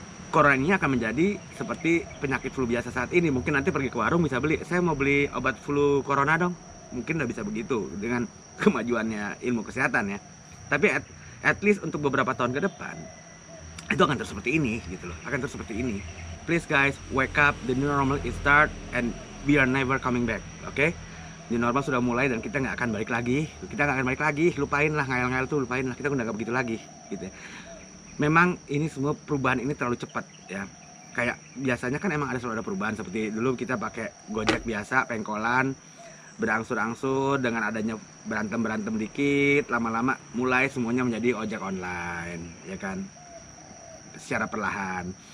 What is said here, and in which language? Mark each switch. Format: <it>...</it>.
<id>Corona ini akan menjadi seperti penyakit flu biasa saat ini. Mungkin nanti pergi ke warung bisa beli, saya mau beli obat flu corona dong. Mungkin gak bisa begitu dengan kemajuannya ilmu kesehatan ya. Tapi at least untuk beberapa tahun ke depan, itu akan terus seperti ini gitu loh. Akan terus seperti ini.</id> <en>Please guys, wake up, the new normal is start and we are never coming back, oke? Okay?</en> <id>New normal sudah mulai dan kita gak akan balik lagi. Kita gak akan balik lagi, lupainlah ngayal-ngayal tuh, lupainlah. Kita udah gak begitu lagi gitu ya. Memang ini semua perubahan ini terlalu cepat ya. Kayak biasanya kan emang selalu ada perubahan. Seperti dulu kita pakai gojek biasa, pengkolan, berangsur-angsur dengan adanya berantem-berantem dikit, lama-lama mulai semuanya menjadi ojek online, ya kan? Secara perlahan.</id>